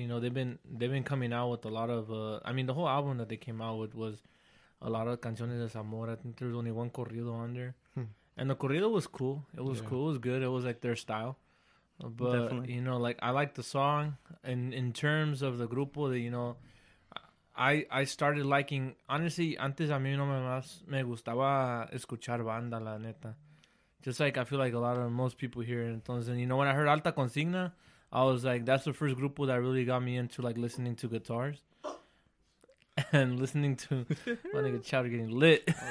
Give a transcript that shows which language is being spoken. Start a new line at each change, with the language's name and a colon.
English: You know, they've been coming out with a lot of... the whole album that they came out with was a lot of
Spanish: canciones de desamor.
English: I think there's only one corrido on there. And the corrido was cool. It was cool. It was good. It was, like, their style. But, definitely. You know, like, I like the song. And in terms of the grupo, you know, I started liking...
Spanish: Honestly, antes a mí no me gustaba escuchar banda, la neta.
English: Just like I feel like a lot of most people here.
Spanish: Entonces,
English: and, you know, when I heard Alta Consigna... I was like, that's the first grupo that really got me into, like, listening to guitars. And listening to my nigga Chowder getting lit.